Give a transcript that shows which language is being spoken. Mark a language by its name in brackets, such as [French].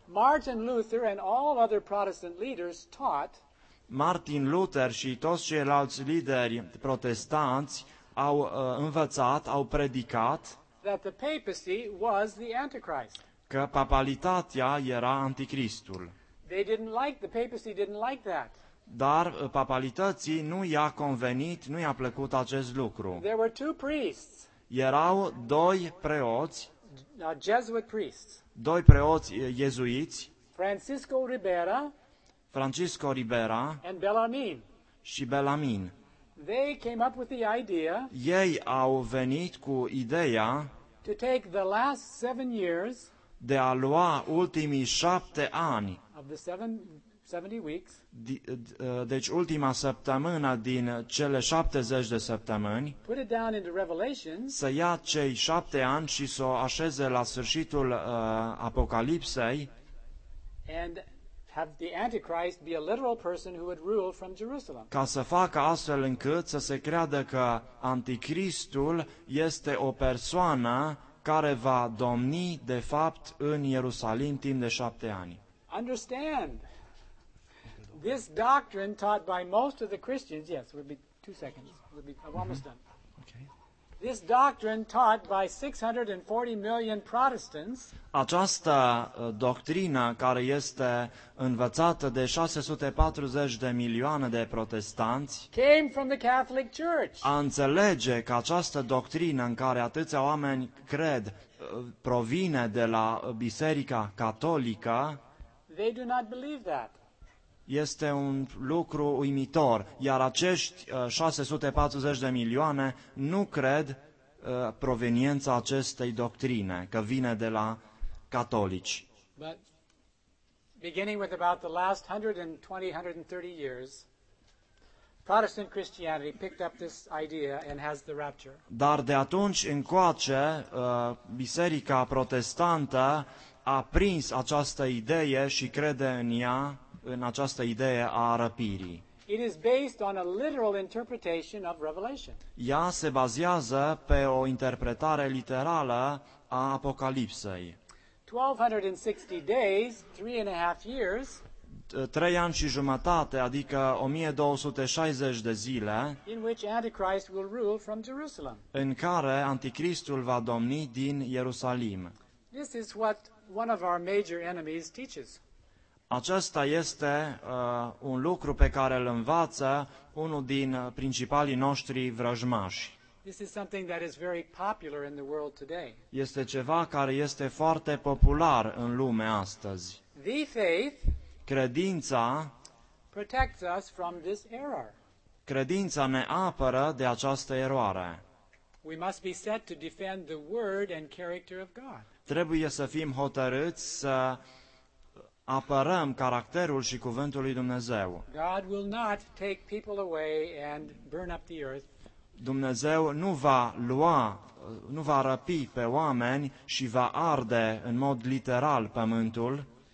[English] Martin Luther and all other Protestant leaders taught. [Romanian] Martin Luther și toți ceilalți lideri protestanți au învățat, au predicat [English] that the papacy was the Antichrist. [Romanian] Că papalitatea era anticristul. [English] They didn't like, the papacy didn't like that. [Romanian] Dar papalității nu i-a convenit, nu i-a plăcut acest lucru. [English] There were two priests. [Romanian] Erau doi preoți. [English] Jesuit priests. [Romanian] Doi preoți iezuiți. [English] Francisco Ribera. [Romanian] Francisco Ribera. [English] And Bellarmine. [Romanian] Și Bellarmine. [English] They came up with the idea. [Romanian] Ei au venit cu ideea. [English] To take the last 7 years. [Romanian] De a lua ultimii 7 ani. [English] Of the 70 weeks. [Romanian] Deci ultima săptămână din cele 70 de săptămâni. [English] Put it down into Revelation. [Romanian] Să ia cei 7 ani și să o așeze la sfârșitul Apocalipsei. [English] And have the Antichrist be a literal person who would rule from Jerusalem. [Romanian] Ca să facă astfel încât să se creadă că Anticristul este o persoană care va domni de fapt în Ierusalim timp de 7 ani. [English] Understand? This doctrine taught by most of the Christians, yes, would be 2 seconds. We'll be, I'm almost done. Okay. This doctrine taught by 640 million Protestants. [Romanian] Această doctrină care este învățată de 640 de milioane de protestanți. [English] Came from the Catholic Church. [Romanian] A înțelege că această doctrină în care atâția oameni cred provine de la Biserica Catolică. [English] They do not believe that. [Romanian] Este un lucru uimitor, iar acești 640 de milioane nu cred proveniența acestei doctrine, că vine de la catolici. [English] But beginning with about the last 120-130 years, Protestant Christianity picked up this idea and has the rapture. [Romanian] Dar de atunci încoace, biserica protestantă a prins această idee și crede în ea. În această idee a răpirii. [English] It is based on a literal interpretation of Revelation. [Romanian] Ea se bazează pe o interpretare literală a Apocalipsei. [English] 1260 days, 3.5 years. [Romanian] 3 ani și jumătate, adică 1260 de zile. [English] In which Antichrist will rule from Jerusalem. [Romanian] În care Anticristul va domni din Ierusalim. [English] This is what one of our major enemies teaches. [Romanian] Acesta este un lucru pe care îl învață unul din principalii noștri vrăjmași. [English] This is something that is very popular in the world today. [Romanian] Este ceva care este foarte popular în lume astăzi. [English] The faith, [Romanian] credința, [English] protects us from this error. [Romanian] Credința ne apără de această eroare. [English] We must be set to defend the word and character of God. [Romanian] Trebuie să fim hotărâți să apărăm caracterul și cuvântul lui Dumnezeu. [English] God will not take people away and burn up the earth. [Romanian] Dumnezeu nu va lua, nu va răpi pe oameni și va arde în mod literal pământul.